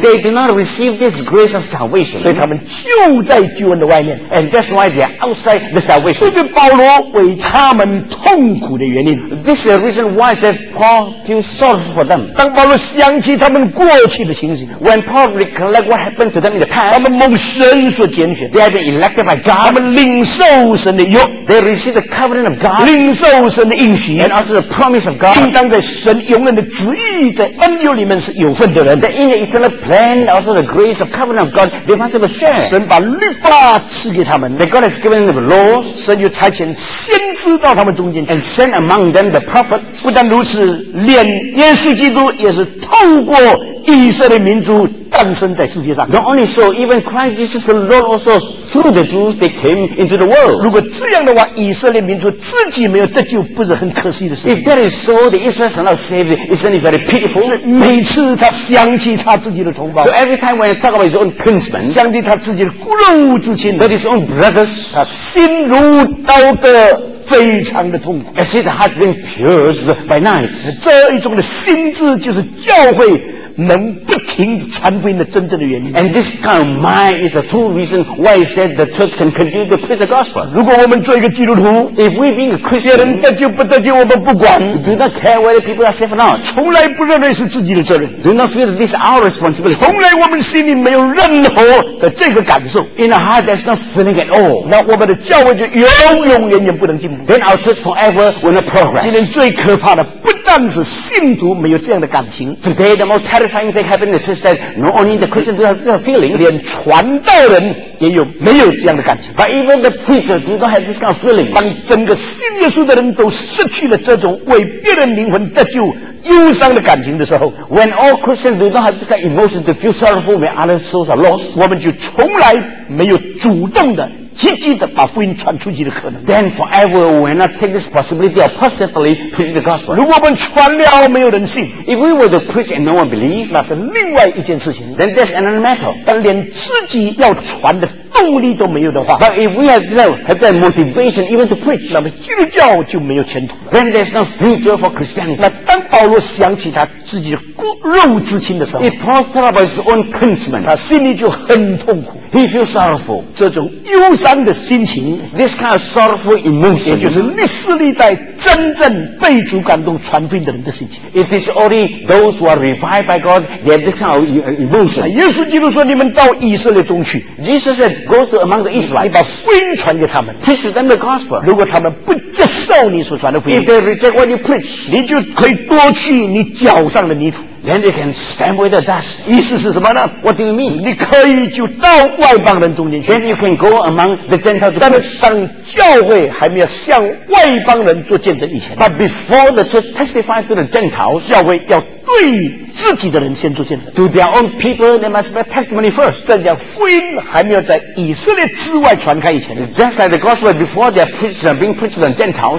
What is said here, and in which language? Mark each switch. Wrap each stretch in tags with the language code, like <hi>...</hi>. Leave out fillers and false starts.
<en>They do not receive this grace of salvation。</en> <zh>所以他们就在救恩的外面。</zh> <en>And that's why they are outside the salvation。</en> <zh>这是保罗为他们痛苦的原因。</zh> <en>This is the reason why Saint PaulFeel sorry for them。</en> <zh>当保罗想起他们过去的情形，</zh> <en>When Paul recollect what happened to them in the past，</en> <zh>他们蒙神所拣选，</zh> <en>They have been elected by God， God，</en> <zh>他们领受神的约。</zh> <en>They receive the covenant of God，</en> <zh>领受神的应许。</zh> <en>And also the promise of God，</en> <zh>应当在神永远的旨意在恩典里面是有份的人。</zh> <en>That in the eternal plan， also the grace of covenant of God， they must have a share。</en> <zh>神把律法赐给他们。</zh> <en>That God has given them the laws，</en> <zh>神就差遣先知到他们中间去。</zh> <en>And send among them the prophets。</en> <zh>不但如此，连耶稣基督也是透过以色列民族诞生在世界上。</zh> <en>Not only so， even Christ Jesus the Lord also through the Jews they came into the world。</en> <zh>如果这样的话，以色列民族自己没有得救，不是很可惜的事。</zh> <en>If that is so， the Israelites are not saved， isn't it very pitiful？</en> <zh>每次他想起他自己的同胞。</zh> <en>So every time when he talk about his own kinsmen，</en> <zh>想起他自己的骨肉之亲。</zh> <en>That his own brothers，</en> <zh>他心如刀割。非常的痛苦。</zh> <en>As his heart being pierced by knives，</en> <zh>这一种的心智就是教会能不停传福音的真正的原因。</zh> <en>And this kind of mind is the true reason why is that the church can continue to preach the gospel。</en> <zh>如果我们做一个基督徒</zh> <en>，If we being a Christian，</en> <zh>别人得救不得救我们不管</zh> <en>，Do not care whether people are safe or not，</en> <zh>从来不认为是自己的责任</zh> <en>，Do not feel this our responsibility，</en> <zh>从来我们心里没有任何的这个感受</zh> <en>，In our heart there's no feeling at all。</en> <zh>那我们的教会就永永远远不能进步</zh> <en>，Then our church forever will not progress。</en> <zh>今天最可怕的不但是信徒没有这样的感情</zh> <en>，Today the most terrible。 Trying to happen the church that not only the Christians do have this feeling，</en> <zh>连传道人也有没有这样的感情</zh> <en>？But even the preachers do not have this kind of feeling。</en> <zh>当整个信耶稣的人都失去了这种为别人灵魂得救忧伤的感情的时候</zh> <en>，When all Christians do not have this kind of emotion to feel sorrowful when other souls are lost，</en> <zh>我们就从来没有主动的。积极的把福音传出去的可能。</zh> <en>Then forever we will not take this possibility of positively preach the gospel。</en> <zh>如果我们传了没有人信</zh> <en>，If we were to preach and no one believes，</en> <zh>那是另外一件事情。</zh> <en>Then that's another matter。</en> <zh>但连自己要传的动力都没有的话</zh> <en>，But if we have no have that motivation even to preach，</en> <zh>那么基督教就没有前途了。</zh> <en>Then there's no future for Christianity。</en> <zh>那当保罗想起他自己的骨肉之亲的时候</zh> <en>，If Paul thought about his own kinsmen，</en> <zh>他心里就很痛苦。</zh> <en>He feels sorrowful。</en> <zh>这种忧伤。这样的心情</zh> <en>，this kind of sorrowful emotion，</en> <zh>也就是历史历代真正被主感动传福音的人的心情。</zh> <en>It is only those who are revived by God they have this kind of emotion。</en> <zh>耶稣基督说：“你们到以色列中去。”</zh> <en>Jesus said, "Go to among the Israelites."</en> <zh>你把福音传给他们</zh> <en>，preach them the gospel。</en> <zh>如果他们不接受你所传的福音</zh> <en>，if they reject what you preach，</en> <zh>你就可以夺去你脚上的泥土。</zh> <en>Then they can stamp with the dust.</en> <zh>意思是什么呢</zh> <en>？What do you mean?</en> <zh>你可以就到外邦人中间去。</zh> <en>Then you can go among the Gentiles.</en> <zh>但是当教会还没有向外邦人做见证以前</zh> <en>，But before the church testify to the Gentiles,</en> <zh>教会要对自己的人先做见证。</zh> <en>To their own people, they must bear testimony first.</en> <zh>这样福音还没有在以色列之外传开以前</zh> <en>，Just like the gospel before they are preached and being preached to the Gentiles,</en>